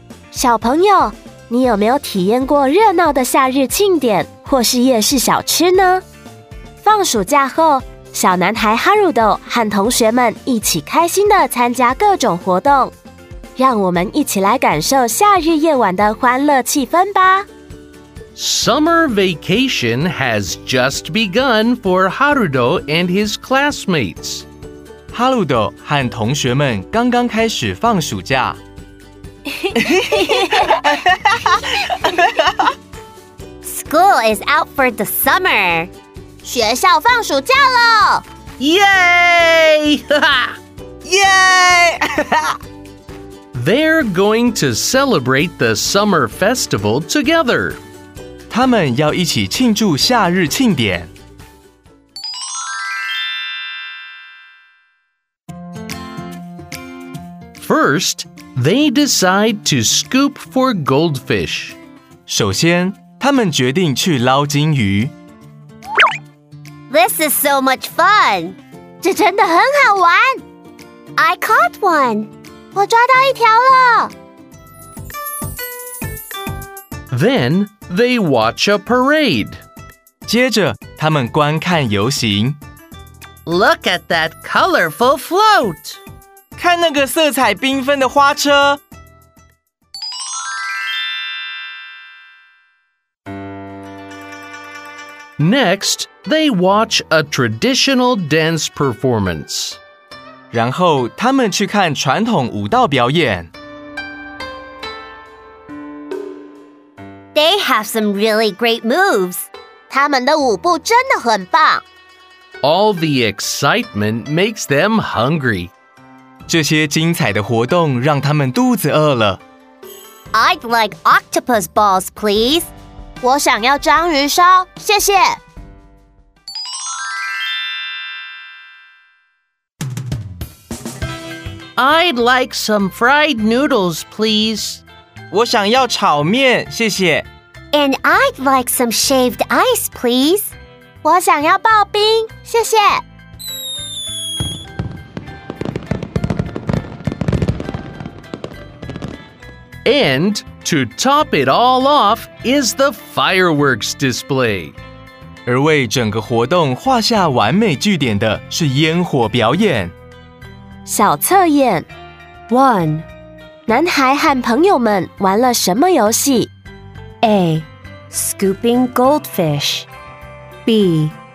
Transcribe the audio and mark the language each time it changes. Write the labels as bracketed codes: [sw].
[zh] 小朋友你有没有体验过热闹的夏日庆典或是夜市小吃呢放暑假后小男孩哈鲁豆和同学们一起开心地参加各种活动让我们一起来感受夏日夜晚的欢乐气氛吧 [en] Summer vacation has just begun for Haruto and his classmates. [zh] 哈鲁豆和同学们刚刚开始放暑假。 [en] School is out for the summer. [zh] 学校放暑假了。 [en] Yay! Yay! They're going to celebrate the summer festival together. [zh] 他们要一起庆祝夏日庆典。 [en] First, they decide to scoop for goldfish. [zh] 首先，他们决定去捞金鱼。 [en] This is so much fun. [zh] 这真的很好玩。 [en] I caught one. [zh] 我抓到一条了。 [en] Then, they watch a parade. [zh] 接着，他们观看游行。 [en] Look at that colorful float. [zh] 看那个色彩缤纷的花车。 [en] Next, They watch a traditional dance performance. [zh] 然后他们去看传统舞蹈表演。 [en] They have some really great moves. [zh] 他们的舞步真的很棒。 [en] All the excitement makes them hungry. [zh] 这些精彩的活动让他们肚子饿了。 [en] I'd like octopus balls, please. [zh] 我想要章鱼烧，谢谢。 [en] I'd like some fried noodles, please. [zh] 我想要炒面，谢谢。 [en] And I'd like some shaved ice, please. [zh] 我想要刨冰，谢谢。 [en] And to top it all off is the fireworks display. [zh] 而为整个活动画下完美句点的是烟火表演。小测验 1. 男孩和朋友们玩了什么游戏 A. [en] Scooping goldfish B.